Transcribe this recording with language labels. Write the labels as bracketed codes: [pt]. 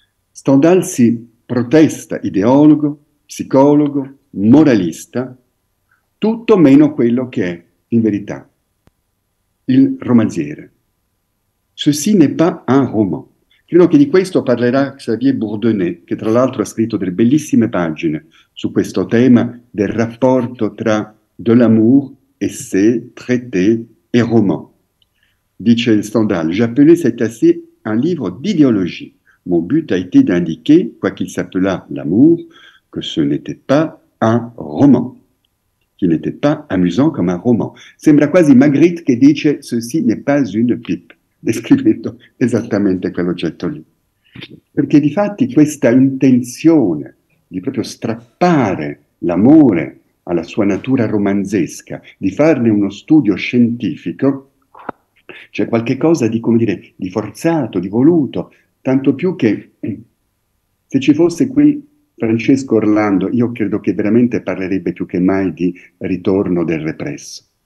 [it] Stendhal si protesta, ideologo, psicologo, moralista, tutto meno quello che è, in verità, il romanziere. [fr] Ceci n'est pas un roman. [it] Credo che di questo parlerà Xavier Bourdonnais, che tra l'altro ha scritto delle bellissime pagine su questo tema del rapporto tra de l'amour, essai, traité e roman. Dice Stendhal, [fr] j'appelais cet essai un livre d'idéologie. Mon but a été d'indiquer, quoi qu'il s'appelât l'amour, que ce n'était pas un roman, qui n'était pas amusant comme un roman. [it] Sembra quasi Magritte che dice [fr] ceci n'est pas une pipe, [it] descrivendo esattamente quell'oggetto lì. Perché di fatti questa intenzione di proprio strappare l'amore alla sua natura romanzesca, di farne uno studio scientifico, c'è qualche cosa di, come dire, di forzato, di voluto, tanto più che se ci fosse qui Francesco Orlando, io credo che veramente parlerebbe più che mai di ritorno del represso.